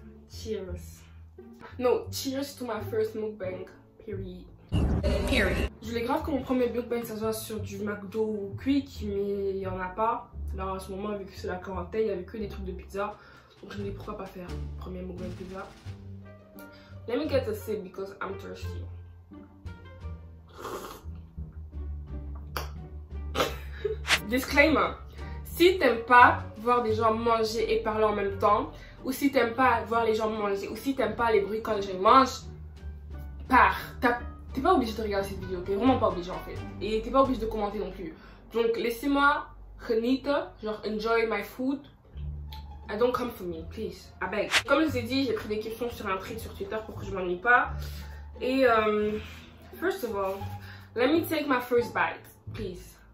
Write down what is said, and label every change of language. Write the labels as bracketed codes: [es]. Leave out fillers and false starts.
[en] Cheers. No, cheers to my first mukbang. Period. [fr] Je voulais grave que mon premier mukbang ça soit sur du McDo ou Quick, mais il y en a pas. Alors à ce moment, vu que c'est la quarantaine, il y avait que des trucs de pizza. Donc je me dis pourquoi pas faire premier mukbang pizza. [en] Let me get a sip because I'm thirsty. [fr] Disclaimer, si t'aimes pas voir des gens manger et parler en même temps, ou si t'aimes pas voir les gens manger, ou si t'aimes pas les bruits quand les gens mangent, pars. T'es pas obligé de regarder cette vidéo, t'es vraiment pas obligé en fait. Et t'es pas obligé de commenter non plus. Donc laissez-moi genieter, genre [en] enjoy my food. And don't come for me, please, I beg. [fr] Comme je vous ai dit, j'ai pris des questions sur un thread sur Twitter pour que je m'ennuie pas. [en] Et first of all, let me take my first bite, please.